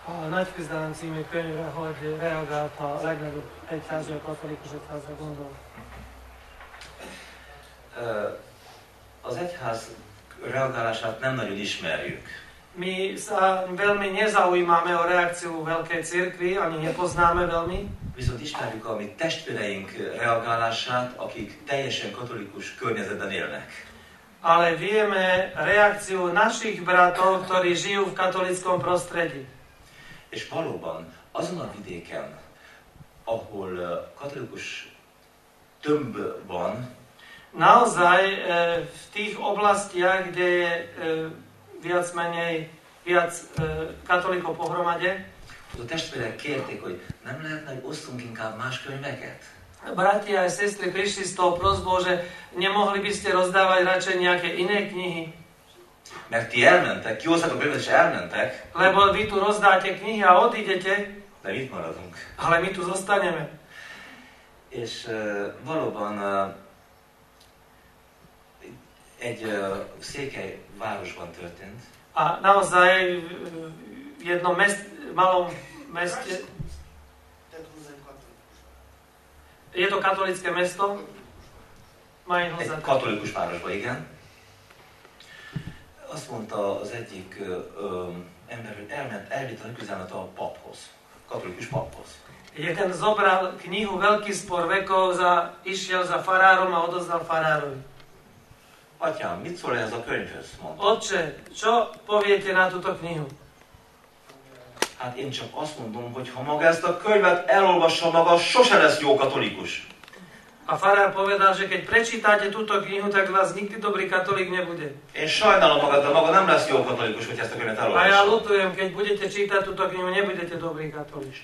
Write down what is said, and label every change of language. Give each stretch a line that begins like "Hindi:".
Hungarian: Nagyküzdelem című könyvre, hogy reagált a legnagyobb egyházi a katolikus egyházra gondol. Az egyház reagálását nem nagyon ismerjük.
Slovak: Mi sa veľmi nezaujímame o reakciu veľkej cirkvi, ani nepoznáme veľmi.
Hungarian: Viszont ismerjük a mi testvéreink reagálását, akik teljesen katolikus környezetben élnek.
Slovak: Ale vieme reakciu našich bratov, ktorí žijú v katolickom prostredí.
Hungarian: És valóban azon a vidéken, ahol katolikus tömb van,
Slovak: naozaj v tých oblastiach, kde je viac menej viac katolíkov pohromade,
Hungarian: a testvérek kérték, hogy nem lehetne, hogy osztunk inkább más könyveket?
Slovak: Bratia a sestry prišli s tou prosbou, že nemohli by ste rozdávať radšej nejaké iné knihy.
Hungarian: Mert ti elmentek, kihozták a könyvet, és elmentek.
Slovak: Lebo vy tu rozdáte knihy a odídete.
Hungarian: De mit maradunk.
Slovak: Ale mi tu zostaneme.
Hungarian: És valóban egy székely városban történt.
Slovak: A naozaj v jednom malom meste. Je to katolické mesto? Majú ho za
Hungarian: katolikus városban, igen. Azt mondta az egyik ember, hogy elment elvitt a küzdelmet a paphoz, katolikus paphoz.
Slovak: Jeden zobral knihu Veľký spor vekov, išiel za farárom a odozdal farárovi.
Hungarian: Atyám, mit szól ez a könyvhöz, mondta.
Slovak: Otče, čo poviete na túto knihu?
Hungarian: Hát én csak azt mondom, hogy ha maga ezt a könyvet elolvassa maga, sose lesz jó katolikus.
Slovak: A farár povedal, že keď prečítate túto knihu, tak vás nikdy dobrý katolík nebude.
Hungarian: Én sajnálom magad, de maga nem lesz jó katolikus, hogy ezt a könyvet elolvassa.
Slovak: A ja lutujem, keď budete čítať túto knihu, nebudete dobrý katolík.